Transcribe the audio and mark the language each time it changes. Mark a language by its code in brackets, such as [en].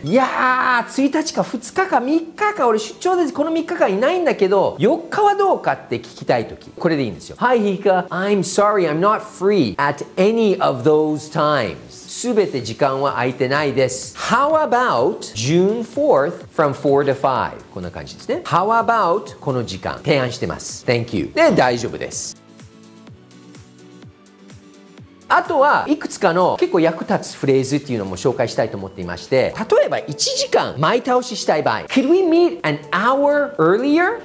[ja] いやー、1日か2日か3日か、俺出張でこの3日間いないんだけど4日はどうかって聞きたいとき、これでいいんですよ。 [en] Hi Hika, I'm sorry I'm not free at any of those times。 [ja] 全て時間は空いてないです。 [en] How about June 4th from 4 to 5? [ja] こんな感じですね。 [en] How about [ja] この時間提案してます。 [en] Thank you。 [ja] で大丈夫です。あとはいくつかの結構役立つフレーズっていうのも紹介したいと思っていまして、例えば1時間前倒ししたい場合、 [en] Could we meet an hour earlier?